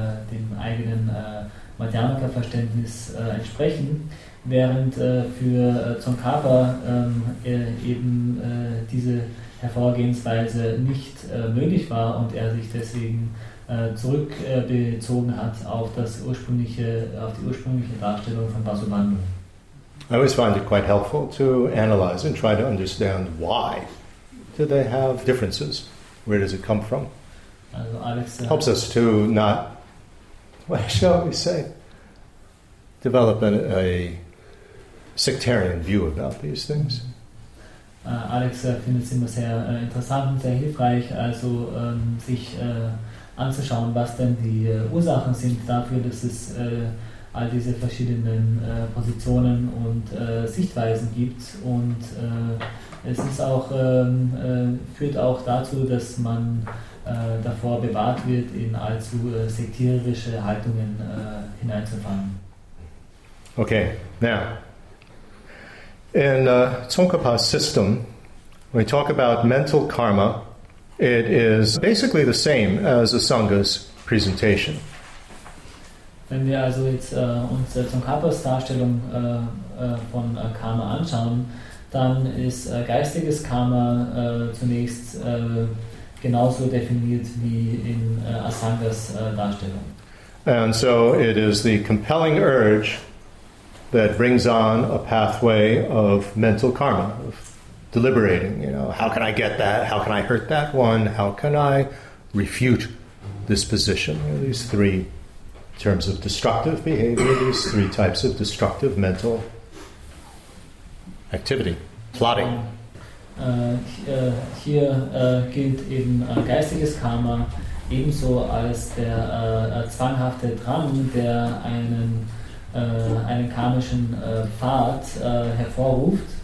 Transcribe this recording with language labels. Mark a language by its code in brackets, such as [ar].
[de] dem eigenen Madhyamaka-Verständnis entsprechen, während für Tsongkhapa eben diese Hervorgehensweise nicht möglich war und er sich deswegen zurückbezogen hat auf das ursprüngliche, auf die ursprüngliche Darstellung von Vasubandhu. [en] I always find it quite helpful to analyze and try to understand why do they have differences? Where does it come from? Also Alex, helps us to not, what shall we say, develop a sectarian view about these things. [de] Alex findet es immer sehr interessant und sehr hilfreich, also sich anzuschauen, was denn die Ursachen sind dafür, dass es all diese verschiedenen Positionen und Sichtweisen gibt. Und es ist auch führt auch dazu, dass man davor bewahrt wird, in allzu sektierische Haltungen hineinzufallen. [en] Okay, now, in Tsongkhapa's system, when we talk about mental karma, it is basically the same as Asanga's presentation. [de] Wenn wir also jetzt uns Tsongkhapas Darstellung von Karma anschauen, dann ist geistiges Karma zunächst genauso definiert wie in Asangas Darstellung. [en] And so it is the compelling urge that brings on a pathway of mental karma, of deliberating, you know, how can I get that? How can I hurt that one? How can I refute this position? You know, these three terms of destructive behavior, these three types of destructive mental activity, plotting. [de] Hier gilt eben geistiges Karma ebenso als der zwanghafte Drang, der einen karmischen Pfad hervorruft.